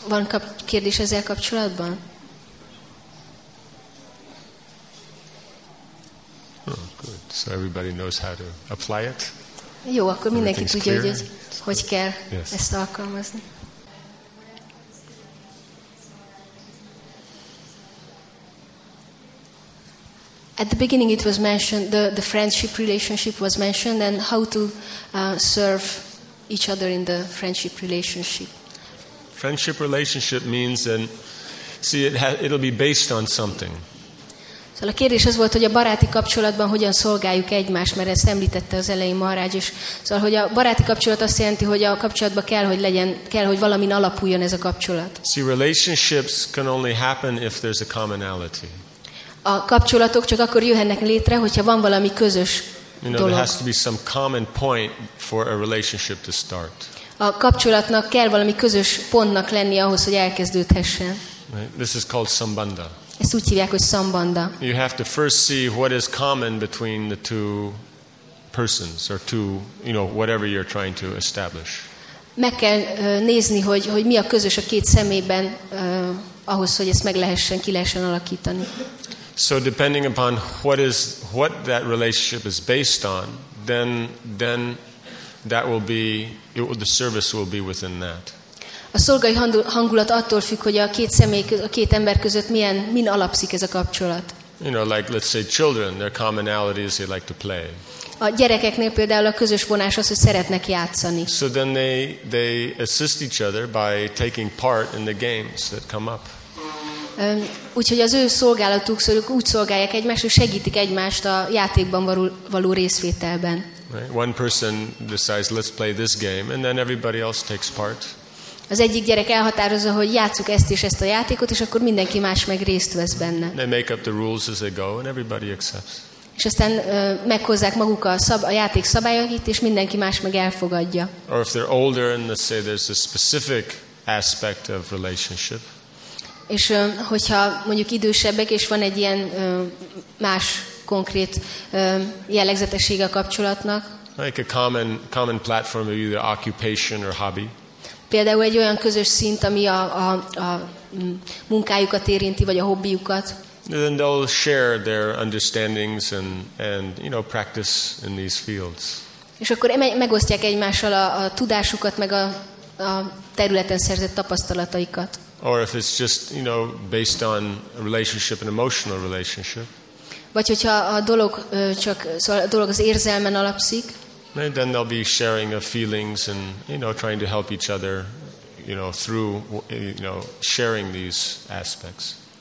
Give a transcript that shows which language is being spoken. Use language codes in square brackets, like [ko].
[hu] Van kérdés ezzel kapcsolatban? [en] Oh, good. So everybody knows how to apply it. [hu] Jó, akkor mindenki tudja, hogy kell ezt alkalmazni. [en] At the beginning it was mentioned, the friendship relationship was mentioned, and how to serve each other in the friendship relationship. Friendship relationship means, and see, it'll be based on something. [hu] Szóval a kérdés az volt, hogy a baráti kapcsolatban hogyan szolgáljuk egymást, mert ezt említette az elején Maharaj is. Szóval, hogy a baráti kapcsolat azt jelenti, hogy a kapcsolatban kell, hogy valamin alapuljon ez a kapcsolat. [en] See, relationships can only happen if there's a commonality. [hu] A kapcsolatok csak akkor jöhetnek létre, hogyha van valami közös dolog. [en] There has to be some common point for a relationship to start. [hu] A kapcsolatnak kell valami közös pontnak lenni ahhoz, hogy elkezdődhessen. [en] This is called sambandha. [hu] Ezt úgy hívják, hogy sambandha. [en] You have to first see what is common between the two persons or two, you know, whatever you're trying to establish. [hu] Meg kell nézni, hogy mi a közös a két szemében ahhoz, hogy ezt ki lehessen alakítani. [en] So depending upon what that relationship is based on, then that will be it will, the service will be within that. [hu] A szolgai hangulat attól függ, hogy a két ember között min alapszik ez a kapcsolat. [en] You know, like let's say children, their commonality is they like to play. [hu] A gyerekeknél például a közös vonás az, hogy szeretnek játszani. [en] So then they assist each other by taking part in the games that come up. [hu] Úgyhogy az ő szolgálatuk, szóval úgy szolgálják egymást, hogy segítik egymást a játékban való részvételben. [en] Right. One person decides, let's play this game, and then everybody else takes part. [hu] Az egyik gyerek elhatározza, hogy játsszuk ezt és ezt a játékot, és akkor mindenki más meg részt vesz benne. [en] They make up the rules as they go, and everybody accepts. [hu] És aztán meghozzák maguk a játék szabályait, és mindenki más meg elfogadja. [en] Or if they're older, and let's say there's a specific aspect of relationship. [hu] És hogyha mondjuk idősebbek, és van egy ilyen más konkrét jellegzetessége a kapcsolatnak. [en] Like a common platform of either occupation or hobby. [hu] Például egy olyan közös szint, ami a munkájukat érinti, vagy a hobbiukat. [en] Then they'll share their understandings and you know, practice in these fields. [hu] És akkor megosztják egymással a tudásukat, meg a területen szerzett tapasztalataikat. [en] Or if it's just, you know, based on a relationship, an emotional relationship. [hu] Vagy hogyha a dolog az érzelmen alapszik. [en] Then they'll be sharing of feelings and, you know, trying to help each other, you know, through, you know, sharing these aspects.